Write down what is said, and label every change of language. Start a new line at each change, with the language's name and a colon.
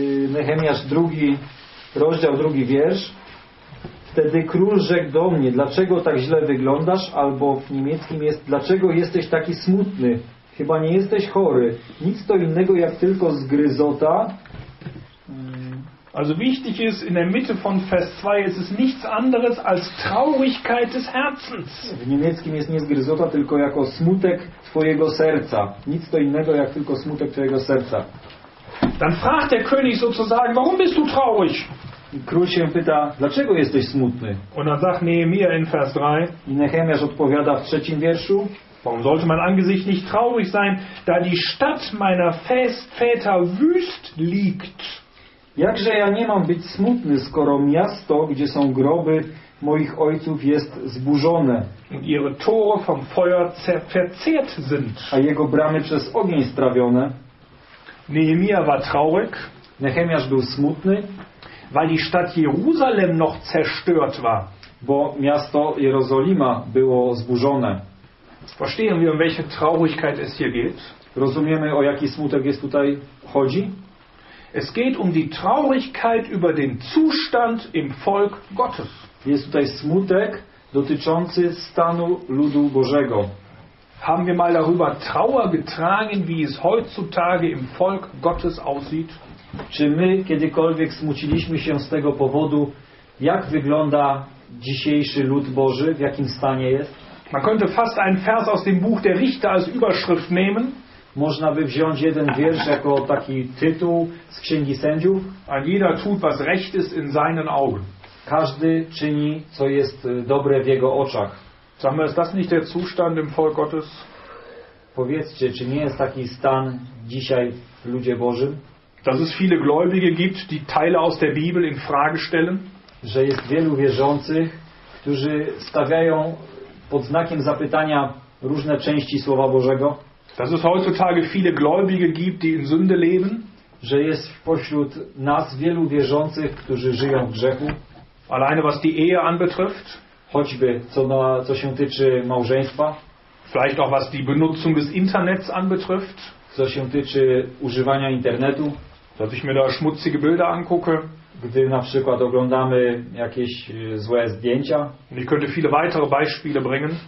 Polish: Nehemiasz drugi, rozdział drugi, wiersz. Wtedy król rzekł do mnie, dlaczego tak źle wyglądasz, albo w niemieckim jest, dlaczego jesteś taki smutny? Chyba nie jesteś chory. Nic to innego jak tylko zgryzota.
German: Also wichtig ist, in der Mitte von Vers 2 ist es nichts anderes als Traurigkeit des Herzens.
Polish: W niemieckim jest nie zgryzota, tylko jako smutek twojego serca. Nic to innego jak tylko smutek twojego serca.
German: Dann fragt der König sozusagen, warum bist du traurig?
Polish: Król się pyta, dlaczego jesteś smutny?
German: Und dann sagt Nehemia in Vers 3.
Polish: I Nehemiasz odpowiada w trzecim wierszu.
German: Warum sollte mein Angesicht nicht traurig sein, da die Stadt meiner Väter wüst liegt?
Polish: Jakże ja nie mam być smutny, skoro miasto, gdzie są groby moich ojców, jest zburzone.
German: Und ihre Tore vom Feuer verzehrt sind.
Polish: A jego bramy przez ogień strawione.
German: Nehemia war traurig.
Polish: Nehemiasz był smutny.
German: Weil die Stadt Jerusalem noch zerstört war.
Polish: Bo miasto Jerozolima było zburzone.
German: Verstehen wir, um welche Traurigkeit es hier geht?
Polish: Rozumiemy, o jaki smutek jest tutaj chodzi?
German: Es geht um die Traurigkeit über den Zustand im Volk Gottes.
Polish: Jest tutaj smutek dotyczący stanu ludu Bożego.
German: Haben wir mal darüber Trauer getragen, wie es heutzutage im Volk Gottes aussieht?
Polish: Czy my kiedykolwiek smuciliśmy się z tego powodu, jak wygląda dzisiejszy lud Boży, w jakim stanie jest?
German: Man könnte fast einen Vers aus dem Buch der Richter als Überschrift nehmen.
Polish: Można by wziąć jeden wiersz jako taki tytuł z Księgi Sędziów.
German: Ein jeder tut, was recht ist in seinen Augen.
Polish: Każdy czyni, co jest dobre w jego oczach.
German: Sag mal, ist das nicht der Zustand im Volk Gottes?
Polish: Powiedzcie, czy nie jest taki stan dzisiaj w ludzie Bożym?
German: Dass es viele Gläubige gibt, die Teile aus der Bibel in Frage stellen?
Polish: Że jest wielu wierzących, którzy stawiają pod znakiem zapytania różne części Słowa Bożego?
German: Dass es heutzutage viele Gläubige gibt, die in Sünde leben?
Polish: Że jest pośród nas wielu wierzących, którzy żyją w grzechu?
German: Alleine was die Ehe anbetrifft?
Polish: Choćby co się tyczy małżeństwa?
German: Vielleicht auch was die Benutzung des Internets anbetrifft?
Polish: Co się tyczy używania internetu?
German: Dass ich mir da schmutzige Bilder angucke?
Polish: Gdy na przykład oglądamy jakieś złe zdjęcia.
German: Ich könnte viele weitere Beispiele bringen.